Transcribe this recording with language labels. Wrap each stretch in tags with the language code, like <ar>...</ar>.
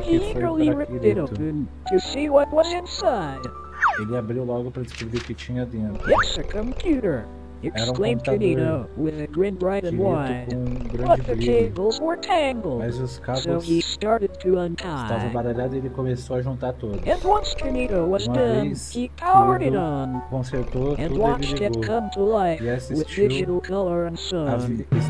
<en>he eagerly ripped it open to see what was inside.</en> <pt>Ele abriu logo para descobrir o que tinha dentro.</pt> <en>It's a computer! Exclaimed Kinito, with a grin bright and wide. But the cables were tangled, so he started to untie.</en> <pt>Estava baralhado e ele começou a juntar todos.</pt> <en>And once Kinito was done, he powered it on.</en> <pt>Consertou,</pt> <en>and watched it come to life with digital color and sound.</en>